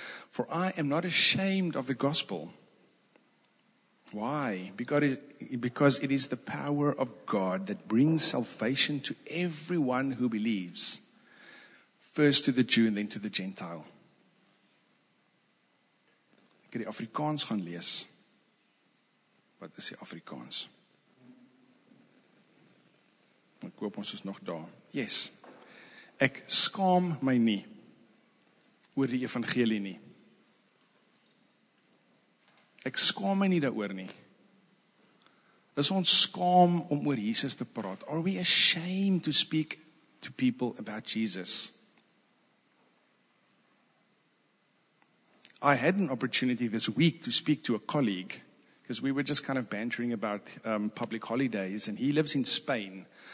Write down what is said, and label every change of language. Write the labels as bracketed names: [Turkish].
[English] For I am not ashamed of the gospel. Why? Because it is the power of God that brings salvation to everyone who believes. First to the Jew and then to the Gentile. [Afrikaans] Ek het die Afrikaans gaan lees. Wat is die Afrikaans? Ek hoop ons is nog daar. Yes. Ek skaam my nie oor die evangelie nie. Ek skaam my nie daaroor nie. Is ons skaam om oor Jesus te praat? [English] Are we ashamed to speak to people about Jesus? I had an opportunity this week to speak to a colleague because we were just kind of bantering about public holidays, and he lives in Spain.